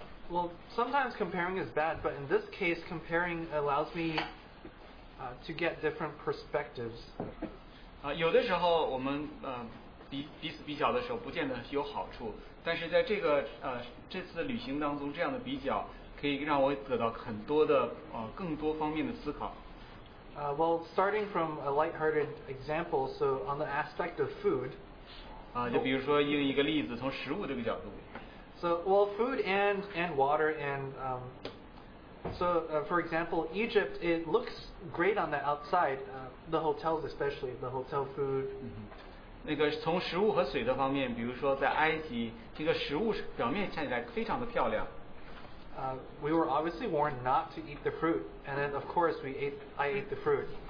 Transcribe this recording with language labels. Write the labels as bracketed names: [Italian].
[English] Well, sometimes comparing is bad, but in this case, comparing allows me to get different perspectives. [Chinese] 有的时候我们彼此比较的时候，不见得有好处。但是在这次旅行当中，这样的比较可以让我得到更多的更多方面的思考。Well, [English] starting from a lighthearted example, so on the aspect of food. [Chinese] 就比如说用一个例子，从食物这个角度。 [English] So, well, food and water and for example, Egypt, it looks great on the outside, the hotels especially, the hotel food. Mm-hmm. [Chinese] 那个从食物和水的方面，比如说在埃及，这个食物表面看起来非常的漂亮。 [English] We were obviously warned not to eat the fruit, and then of course I ate the fruit.